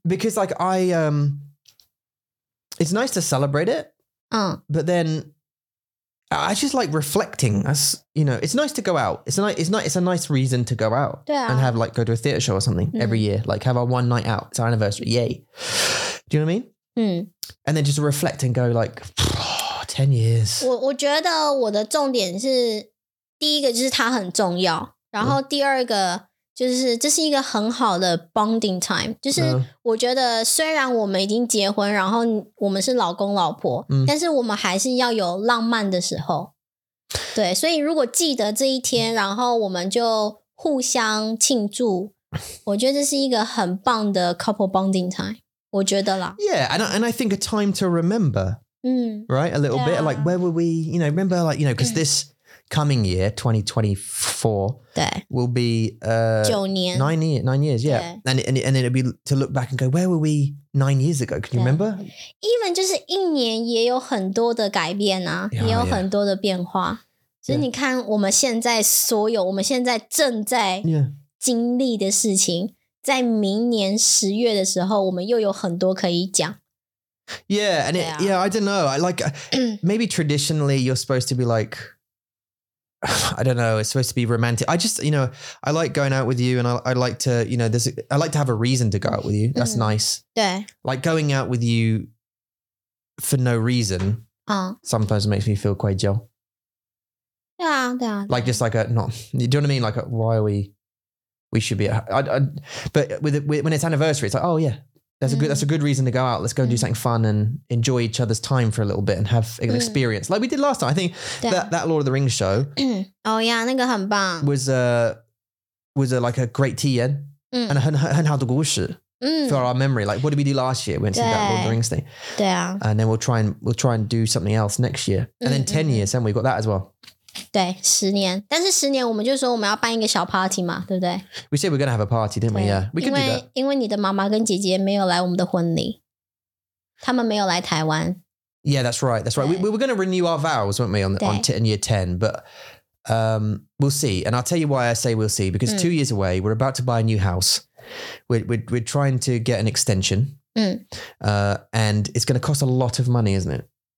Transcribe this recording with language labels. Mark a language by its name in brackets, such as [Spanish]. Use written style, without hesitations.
[English] Because like I, it's nice to celebrate it, but then I just like reflecting as, you know, it's nice to go out. It's a nice reason to go out and have like go to a theater show or something every year, like have our one night out, it's our anniversary. Yay. Do you know what I mean? Mm. And then just reflect and go like, oh, 10 years. [Chinese] 我觉得我的重点是第一个就是它很重要，然后第二个。就是这是一个很好的 bonding time, 就是我觉得虽然我们已经结婚然后我们是老公老婆、嗯、但是我们还是要有浪漫的时候。对，所以如果记得这一天然后我们就互相庆祝，我觉得这是一个很棒的 couple bonding time, 我觉得啦。 [English] Yeah, and I think a time to remember,、嗯、 right, a little、 yeah. bit, like where were we, you know, remember like, you know, because this... coming year 2024 will be 9 years yeah and then it'd be to look back and go where were we 9 years ago can you remember [Chinese] even 就是一年也有很多的改变啊、 [English] yeah, [Chinese] 也有很多的变化、 [English] yeah. [Chinese] 所以你看我们现在所有我们现在正在经历的事情、 [English] yeah. [Chinese] 在明年十月的时候我们又有很多可以讲。 [English] Yeah and it, yeah I don't know I like maybe traditionally you're supposed to be likeI don't know. It's supposed to be romantic. I just, you know, I like going out with you and I like to, you know, I like to have a reason to go out with you. That's nice. Yeah. Like going out with you for no reason sometimes makes me feel quite jealous. Yeah. Like just like a, not, do you know what I mean? Like, a, why are we should be, but when it's anniversary, it's like, oh yeah, that's a good reason to go out. Let's go and do something fun and enjoy each other's time for a little bit and have an experience. Like we did last time. I think that Lord of the Rings show. Oh yeah, [Chinese] 那个很棒。 [English] Was a like a great tea yen. and [Chinese] 很好的故事 [English] for our memory. Like, what did we do last year? We went to see that Lord of the Rings thing. Yeah. And then we'll try and do something else next year. And then 10 years, haven't we? We've got that as well. [Chinese] 对,10年,但是10年我们就说我们要办一个小 party 嘛,对不对? [English] We said we're going to have a party, didn't we? Yeah, we can do that. [Chinese] 因为你的妈妈跟姐姐没有来我们的婚礼,他们没有来台湾。 [English] Yeah, that's right, that's right. We were going to renew our vows, weren't we, on year 10, but we'll see. And I'll tell you why I say we'll see, because 2 years away, we're about to buy a new house. We're trying to get an extension, and it's going to cost a lot of money, isn't it?